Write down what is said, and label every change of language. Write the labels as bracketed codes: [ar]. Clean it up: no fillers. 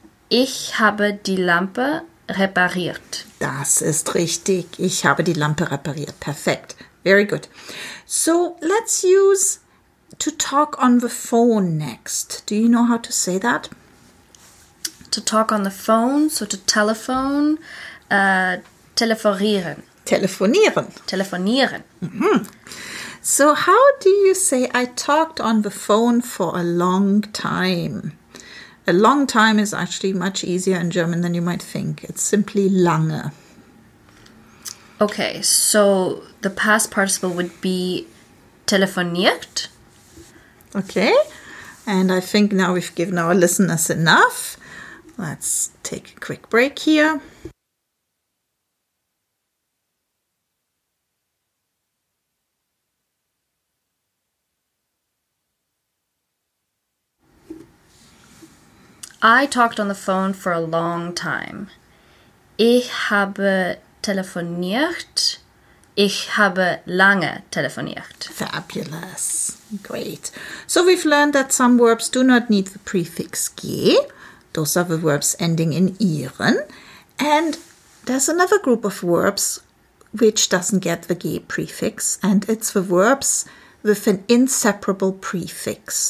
[de] Ich habe die Lampe repariert. Das ist richtig. Ich habe die Lampe repariert. [en] Perfekt. Very good. So, let's use to talk on the phone next. Do you know how to say that? To talk on the phone, so to telephone, telefonieren. [de] Telefonieren. Telefonieren. Mm-hmm. [en] So, how do you say I talked on the phone for a long time? A long time is actually much easier in German than you might think. It's simply lange. Okay, so the past participle would be telefoniert. Okay, and I think now we've given our listeners enough. Let's take a quick break here. I talked on the phone for a long time. [de] Ich habe telefoniert. Ich habe lange telefoniert. [en] Fabulous. Great. So we've learned that some verbs do not need the prefix ge. Those are the verbs ending in ihren. And there's another group of verbs which doesn't get the ge prefix. And it's the verbs with an inseparable prefix.